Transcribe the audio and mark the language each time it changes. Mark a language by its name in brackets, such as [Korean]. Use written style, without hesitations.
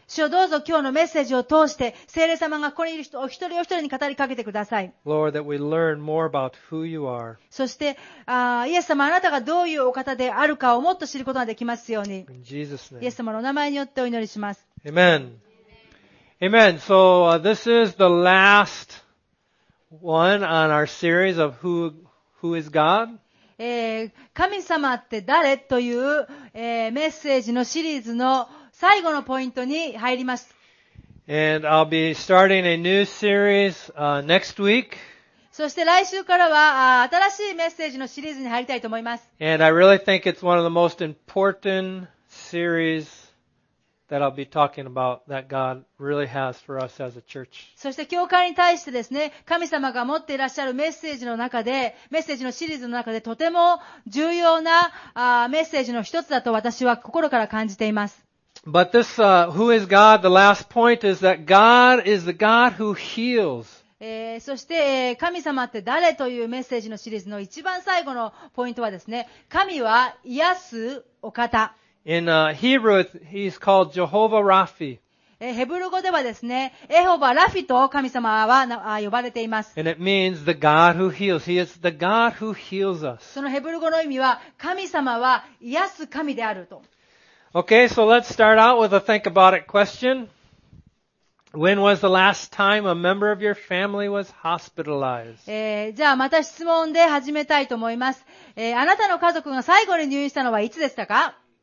[Japanese] 主よ、どうぞ今日のメッセージを通して、聖霊様がここにいる人、お一人お一人に語りかけてください。 [English] Lord, that we learn more about who you are. [Japanese] そして、イエス様、あなたがどういうお方であるかをもっと知ることができますように。 [English] In Jesus' name. [Japanese] イエス様のお名前によってお祈りします。 [English] Amen. Amen. So, this is the last one on our series of who is God. [Japanese] 神様って誰という、メッセージのシリーズの最後のポイントに入ります。 [English] And I'll be starting a new series, next week. [Japanese] そして来週からは、新しいメッセージのシリーズに入りたいと思います。 [English] And I really think it's one of the most important series that I'll be talking about that God really has for us as a church. [Japanese] そして教会に対してですね、神様が持っていらっしゃるメッセージの中で、メッセージのシリーズの中でとても重要なメッセージの一つだと私は心から感じています。 [English] But this, who is God? The last point is that God is the God who heals. [Japanese] そして、神様って誰というメッセージのシリーズの一番最後のポイントはですね、神は癒すお方。 [English] In Hebrew, he's called Jehovah Raphi. [Japanese] ヘブル語ではですね、エホバ・ラフィと神様は呼ばれています。 [English] And it means the God who heals. He is the God who heals us. [Japanese] そのヘブル語の意味は、神様は癒す神であると。 [English] Okay, so let's start out with a think about it question. When was the last time a member of your family was hospitalized? [Japanese] じゃあまた質問で始めたいと思います。あなたの家族が最後に入院したのはいつでしたか？